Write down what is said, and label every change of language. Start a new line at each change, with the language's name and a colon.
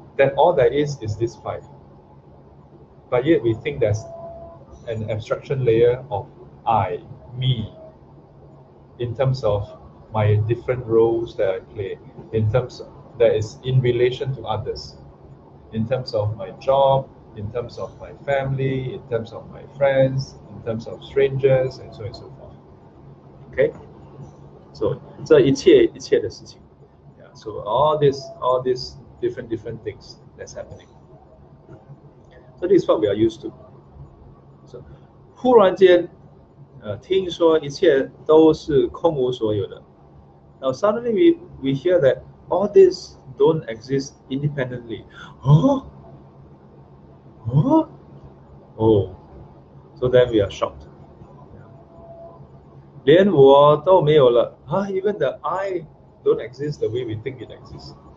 English: Then all that is this five. But yet we think that's an abstraction layer of I, me, in terms of my different roles that I play, in terms that is in relation to others, in terms of my job, in terms of my family, in terms of my friends, in terms of strangers, and so on and so forth. Okay? So,
Chinese: 这一切的事情,
English: yeah, so all these different things, that's happening. So this is what we are used to.
Chinese: So, 忽然间, 听说一切都是空无所有的.
English: Now suddenly we hear that all this don't exist independently. So then we are shocked.
Chinese: 连我都没有了,
English: even the I don't exist the way we think it exists.